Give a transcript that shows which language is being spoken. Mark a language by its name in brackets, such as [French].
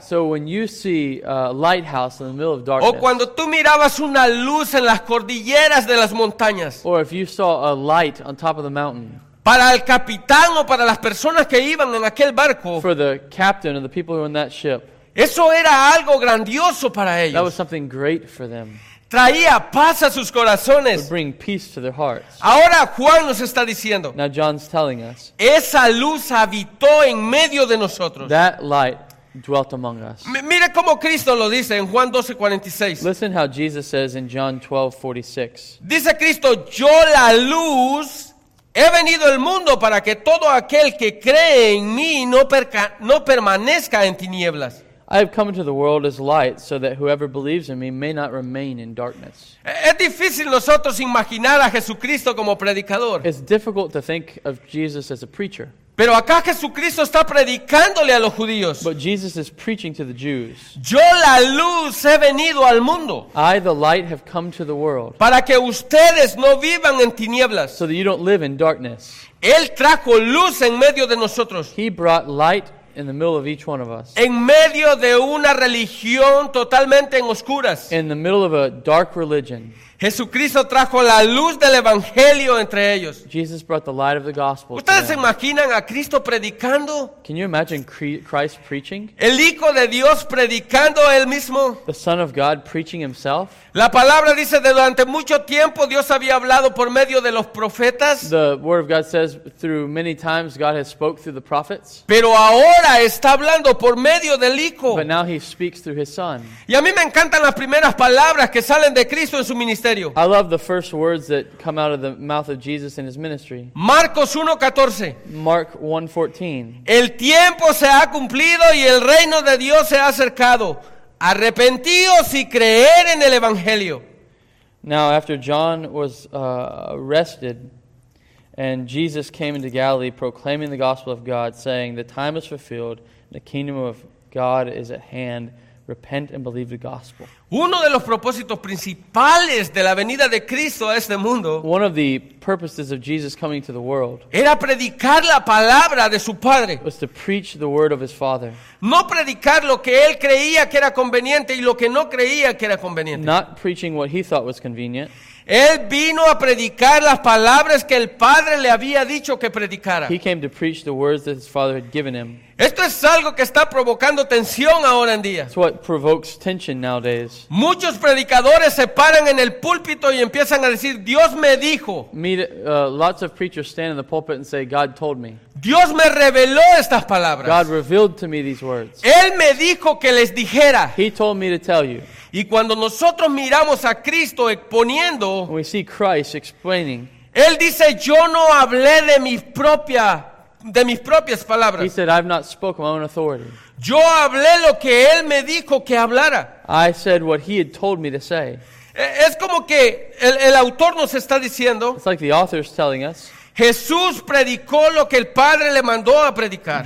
[English] So when you see a lighthouse in the middle of darkness. [Spanish] O cuando tú mirabas una luz en las cordilleras de las montañas. [English] Or if you saw a light on top of the mountain. [Spanish] Para el capitán o para las personas que iban en aquel barco. [English] For the captain or the people who were in that ship. [Spanish] Eso era algo grandioso para ellos. [English] That was something great for them. [Spanish] Traía paz a sus corazones. [English] Would bring peace to their hearts. [Spanish] Ahora Juan nos está diciendo. [English] Now John's telling us. [Spanish] Esa luz habitó en medio de nosotros. [English] That light dwelt among us. [Spanish] Mire cómo Cristo lo dice en Juan 12:46. [English] Listen how Jesus says in John 12:46. [Spanish] Dice Cristo, yo la luz he venido al mundo para que todo aquel que cree en mí no permanezca en tinieblas. [English] I have come into the world as light, so that whoever believes in me may not remain in darkness. [Spanish] Es difícil nosotros imaginar a Jesucristo como predicador. [English] It's difficult to think of Jesus as a preacher. [Spanish] Pero acá Jesucristo está predicándole a los judíos. [English] But Jesus is preaching to the Jews. [Spanish] Yo la luz he venido al mundo. [English] I the light have come to the world. [Spanish] Para que ustedes no vivan en tinieblas. [English] So that you don't live in darkness. [Spanish] Él trajo luz en medio de nosotros. [English] He brought light in the middle of each one of us. [Spanish] En medio de una religión totalmente en oscuras. [English] In the middle of a dark religion. [Spanish] Jesucristo trajo la luz del evangelio entre ellos. [English] Jesus brought the light of the gospel. [Spanish] ¿Ustedes se imaginan a Cristo predicando? [English] Can you imagine Christ preaching? [Spanish] El Hijo de Dios predicando él mismo. [English] The Son of God preaching himself. [Spanish] La palabra dice que durante mucho tiempo Dios había hablado por medio de los profetas. [English] The word of God says through many times God has spoke through the prophets. [Spanish] Pero ahora está hablando por medio del Hijo. [English] But now he speaks through his Son. [Spanish] Y a mí me encantan las primeras palabras que salen de Cristo en su ministerio. [English] I love the first words that come out of the mouth of Jesus in his ministry. [Spanish] Marcos 1:14. [English] Mark 1:14. [Spanish] El tiempo se ha cumplido y el reino de Dios se ha acercado. Arrepentíos y creed en el evangelio. [English] Now, after John was arrested, and Jesus came into Galilee proclaiming the gospel of God, saying, "The time is fulfilled, the kingdom of God is at hand. Repent and believe the gospel." [Spanish] Uno de los propósitos principales de la venida de Cristo a este mundo. [English] One of the purposes of Jesus coming to the world. [Spanish] Era predicar la palabra de su padre. [English] Was to preach the word of his father. [Spanish] No predicar lo que él creía que era conveniente y lo que no creía que era conveniente. [English] Not preaching what he thought was convenient. [Spanish] Él vino a predicar las palabras que el Padre le había dicho que predicara. [English] He came to preach the words that his father had given him. [Spanish] Esto es algo que está provocando tensión ahora en día. [English] It's what provokes tension nowadays. [Spanish] Muchos predicadores se paran en el púlpito y empiezan a decir, Dios me dijo. [English] Lots of preachers stand in the pulpit and say, God told me. [Spanish] Dios me reveló estas palabras. [English] God revealed to me these words. [Spanish] Él me dijo que les dijera. [English] He told me to tell you. [Spanish] Y cuando nosotros miramos a Cristo exponiendo, [English] we see Christ explaining. [Spanish] Él dice, yo no hablé de mis propias palabras. [English] He said, I've not spoken my own authority. [Spanish] Yo hablé lo que Él me dijo que hablara. [English] I said what He had told me to say. [Spanish] Es como que el autor nos está diciendo. [English] It's like the author is telling us. [Spanish] Jesús predicó lo que el Padre le mandó a predicar.